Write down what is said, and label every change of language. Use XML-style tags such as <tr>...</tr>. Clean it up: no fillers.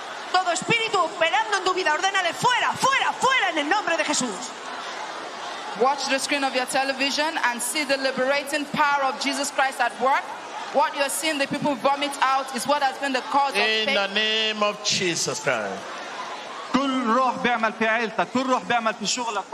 <es>Todo espíritu operando en tu vida, ordénale fuera, fuera, fuera en el nombre de Jesús.</es> <en>Watch the screen of your television and see the liberating power of Jesus Christ at work. What you are seeing the people vomit out is what has been the cause of pain. In the name of Jesus Christ.</en> <ar>كل روح بيعمل في عيلتك كل روح بيعمل في شغلك</ar>